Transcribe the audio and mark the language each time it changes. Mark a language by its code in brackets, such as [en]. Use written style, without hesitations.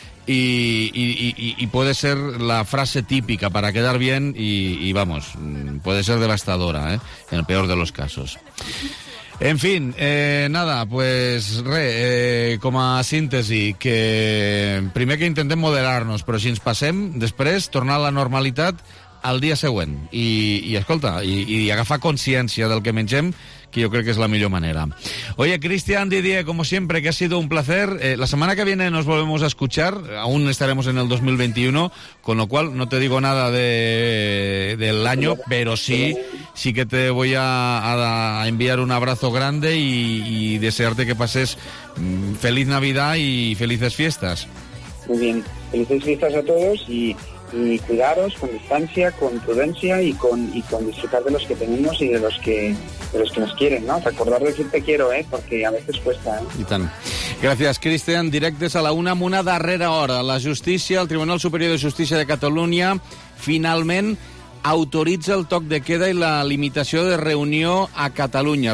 [es] Y puede ser la frase típica para quedar bien y vamos, puede ser devastadora, ¿eh? En el peor de los casos. [ca] En fin, nada, pues com a síntesi, que primer que intentem moderar-nos, però si ens passem, després tornar a la normalitat al dia següent. I escolta, agafar consciència del que mengem, que yo creo que es la mejor manera. [es] Oye, Cristian, Didier, como siempre, que ha sido un placer. La semana que viene nos volvemos a escuchar, aún estaremos en el 2021, con lo cual no te digo nada del año, pero sí que te voy a enviar un abrazo grande y desearte que pases feliz Navidad y felices fiestas. Muy bien, felices fiestas a todos y cuidaros con distancia, con prudencia y con disfrutar de los que tenemos y de los que nos quieren, ¿no? Recordar decir te quiero, porque a veces cuesta, [ca] Y tant. Gràcies, Cristian. Directes a la una, amb una darrera hora. La justícia, el Tribunal Superior de Justícia de Catalunya, finalment autoritza el toc de queda i la limitació de reunió a Catalunya.